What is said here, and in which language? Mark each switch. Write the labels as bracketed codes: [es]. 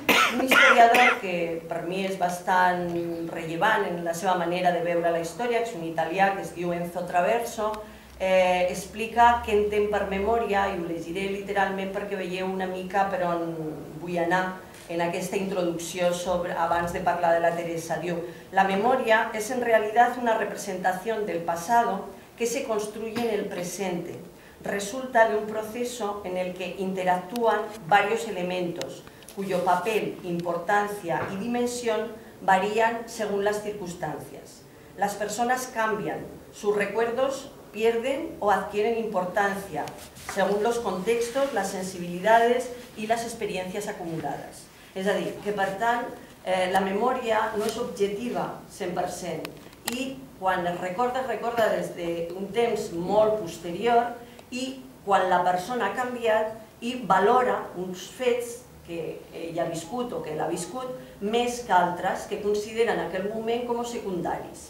[ca] Un historiador que per mi és bastant rellevant en la seva manera de veure la història, és un italià que es diu Enzo Traverso, explica què entén per memòria, i ho llegiré literalment perquè veieu una mica per on vull anar, en aquesta introducció sobre, abans de parlar de la Teresa, diu: la memòria és en realitat una representació del passat que [es] se construye en el presente. Resulta de un proceso en el que interactúan varios elementos, cuyo papel, importancia y dimensión varían según las circunstancias. Las personas cambian, sus recuerdos pierden o adquieren importancia, según los contextos, las sensibilidades y las experiencias acumuladas. Es decir, [ca] que per tant, la memòria no és objetiva 100%, i quan es recorda, es recorda des d'un temps molt posterior, i quan la persona ha canviat i valora uns fets que ell ha viscut o que l'ha viscut més que altres que consideren aquell moment com secundaris.